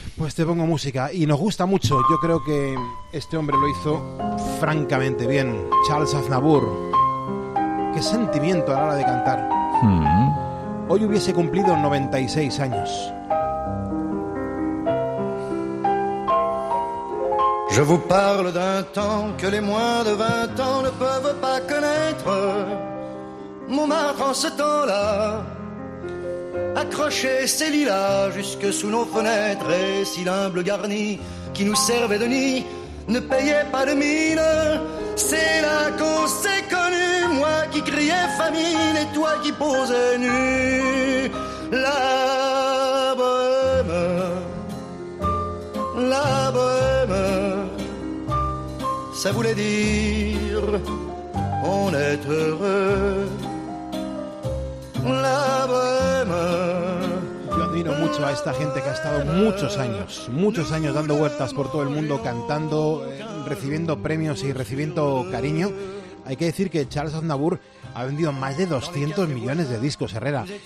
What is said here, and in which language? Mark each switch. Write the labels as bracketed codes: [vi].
[es] Pues te pongo música. Y nos gusta mucho. Yo creo que este hombre lo hizo francamente bien. Charles Aznavour. Qué sentimiento a la hora de cantar. Hoy hubiese cumplido 96 años. [fr] Je vous parle d'un temps que les moins de 20 ans ne peuvent pas connaître. Montmartre en ce temps-là accrochait ses lilas jusque sous nos fenêtres. Et si l'humble garni qui nous servait de nid ne payait pas de mine, c'est là qu'on s'est connu, moi qui criais famine et toi qui posais nu. La bohème, la bohème, ça voulait dire on est heureux. La bohème. [es] Yo admiro mucho a esta gente que ha estado muchos años dando vueltas por todo el mundo, cantando, recibiendo premios y recibiendo cariño. Hay que decir que Charles Aznavour ha vendido más de 200 millones de discos, Herrera.